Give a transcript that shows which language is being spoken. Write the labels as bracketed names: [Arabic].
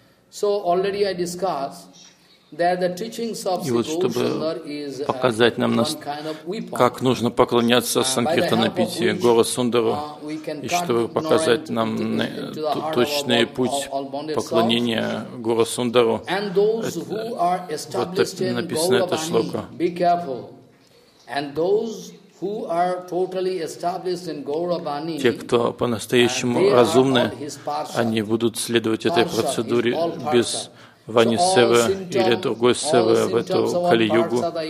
[English] So already I discussed that the teachings of Sri Gaura Sundara is one kind of weapon. [Russian] Как нужно поклоняться Санкиртанапити Гора Сундару, и чтобы показать нам точный путь поклонения Гора Сундару. Вот так написано это шлока. [English] Be careful. And those who are totally established in Gaurabani, [Russian] те, кто по-настоящему разумны, они будут следовать этой процедуре без Вани Севы или другой Севы в эту Кали-югу.